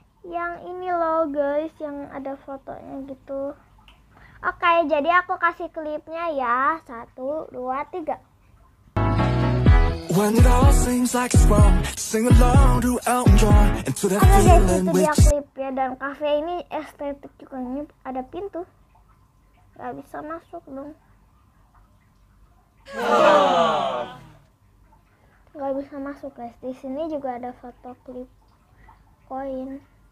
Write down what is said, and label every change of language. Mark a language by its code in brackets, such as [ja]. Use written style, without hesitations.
[id] Yang ini loh, guys, yang ada fotonya gitu. Oke, jadi aku kasih klipnya ya. 1, 2, 3. [en] When it all seems like it's wrong, sing along to Elton John and to that feeling which klipnya. [id] Dan kafe ini estetik juga, ini ada pintu. Gak bisa masuk dong. Gak bisa masuk, guys. Di sini juga ada foto klip koin.